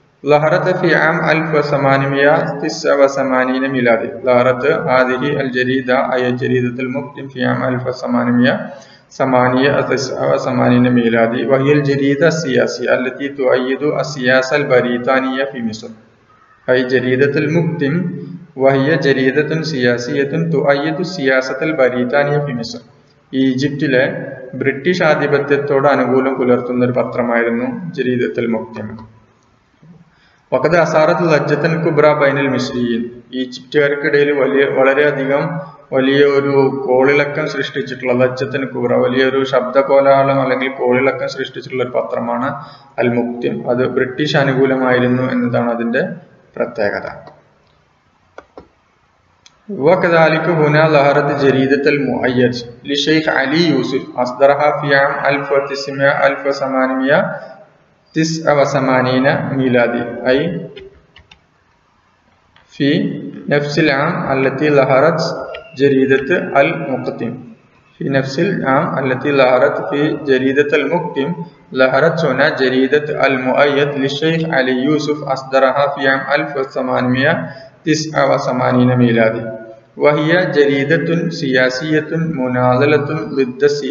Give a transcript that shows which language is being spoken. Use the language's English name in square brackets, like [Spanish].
[Arabic] ظهرت في عام 1889 ميلادي ظهرت هذه الجريدة أي جريدة المقدم في عام 1889 ميلادي وهي الجريدة السياسية التي تؤيد السياسة البريطانية في مصر أي جريدة المقدم وهي جريدة سياسية تؤيد السياسة البريطانية في مصر [Malayalam] ഈജിപ്തിൽ ബ്രിട്ടീഷ് ആധിപത്യത്തോട് അനുകൂലം പുലർത്തുന്ന ഒരു പത്രമായിരുന്നു ജരീദത്തുൽ മുക്തിം. [Arabic] വഖദ് അസാറത്തുൽ ലജ്ജത്തുൽ കുബ്രാ ബൈനുൽ മിസ്രിയിൻ [Malayalam] ഈജിപ്തുകാർക്കിടയിൽ വലിയ വളരെയധികം വലിയ ഒരു കോളിളക്കം സൃഷ്ടിച്ചിട്ടുള്ള ലജ്ജത്തുൽ കുബ്ര വലിയൊരു ശബ്ദ കോലാഹലം അല്ലെങ്കിൽ കോളിളക്കം സൃഷ്ടിച്ചിട്ടുള്ള ഒരു പത്രമാണ് അൽ മുക്തിം. അത് ബ്രിട്ടീഷ് അനുകൂലമായിരുന്നു എന്നതാണ് അതിൻ്റെ പ്രത്യേകത. [Arabic] وكذلك هنا ظهرت جريدة المؤيد للشيخ علي يوسف أصدرها في عام 1889 ميلادي أي في نفس العام التي ظهرت جريدة المقدم في نفس العام التي ظهرت في جريدة المقدم ظهرت هنا جريدة المؤيد للشيخ علي يوسف أصدرها في عام 1889 ميلادي وهي جريدة سياسية مناضلة ضد